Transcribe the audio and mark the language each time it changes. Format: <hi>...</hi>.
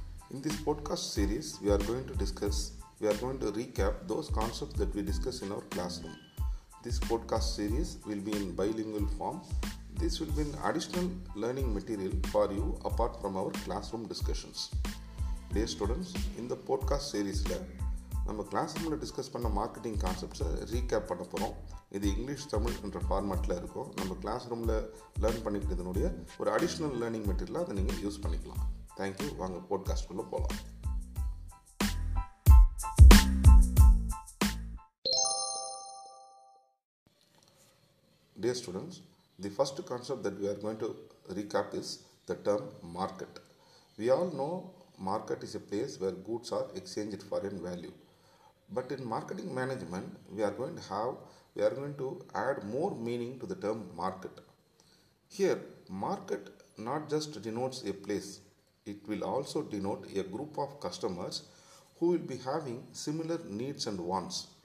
<en>In this podcast series, we are going to recap those concepts that we discuss in our classroom. This podcast series will be in bilingual form. This will be an additional learning material for you apart from our classroom discussions. Dear students, in the podcast series,</en> <ta>நம்ம கிளாஸ்ரூமில் discuss பண்ண marketing கான்செப்ட்ஸை recap பண்ண போகிறோம். இது English தமிழ்ன்ற ஃபார்மேட்டில் இருக்கும். நம்ம class ரூமில் learn பண்ணிக்கிட்டதுனுடைய ஒரு அடிஷ்னல் லேர்னிங் மெட்டீரியலாக அதை நீங்கள் யூஸ் பண்ணிக்கலாம். தேங்க்யூ. வாங்க போட்காஸ்ட்குள்ளே போகலாம்.</ta> <en>Dear students, the first concept that we are going to recap is the term market. We all know market is a place where goods are exchanged for an value. But in marketing management, we are going to add more meaning to the term market. Here, market not just denotes a place, it will also denote a group of customers who will be having similar needs and wants.</en>